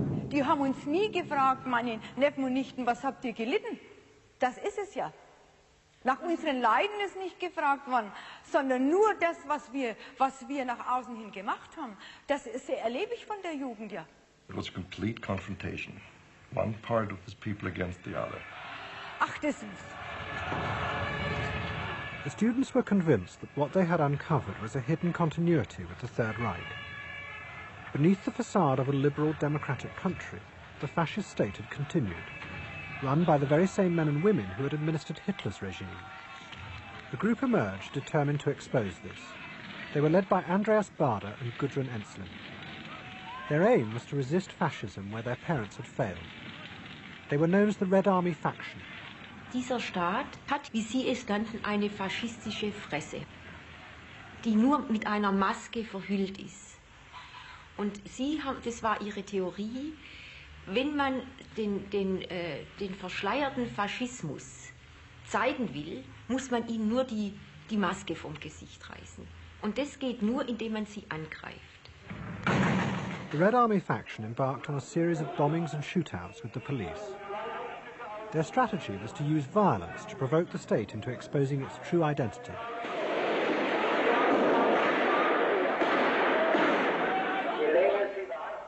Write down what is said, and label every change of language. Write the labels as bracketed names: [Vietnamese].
[German] Die haben uns nie gefragt, meine Neffen und Nichten, was habt ihr gelitten? Das ist es ja. Nach unseren Leiden ist nicht gefragt worden, sondern nur das, was wir nach außen hin gemacht haben. Das ist sehr erlebig von der Jugend, ja. [English] It was complete confrontation. One part of his people against the other. Ach, this is... The students were convinced that what they had uncovered was a hidden continuity with the Third Reich. Beneath the facade of a liberal democratic country, the fascist state had continued, run by the very same men and women who had administered Hitler's regime. The group emerged determined to expose this. They were led by Andreas Bader and Gudrun Enslin. Their aim was to resist fascism where their parents had failed. They were known as the Red Army faction. [German] Dieser Staat hat, wie Sie es nannten, eine faschistische Fresse, die nur mit einer Maske verhüllt ist. Und Sie haben, das war Ihre Theorie, wenn man den verschleierten Faschismus zeigen will, muss man ihnen nur die Maske vom Gesicht reißen. Und das geht nur, indem man sie angreift. [English] The Red Army faction embarked on a series of bombings and shootouts with the police. Their strategy was to use violence to provoke the state into exposing its true identity. [German] Je länger sie warten,